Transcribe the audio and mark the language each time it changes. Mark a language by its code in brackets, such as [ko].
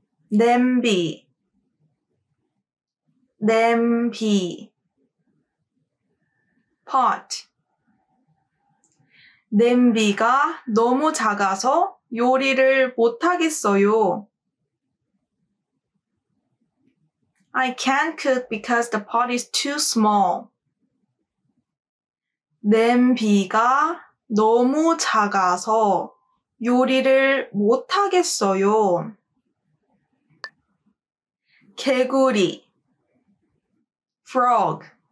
[ko] 냄비, 냄비, pot. 냄비가 너무 작아서 요리를 못 하겠어요. [en] I can't cook because the pot is too small. [ko] 냄비가 너무 작아서 요리를 못 하겠어요. 개구리, frog.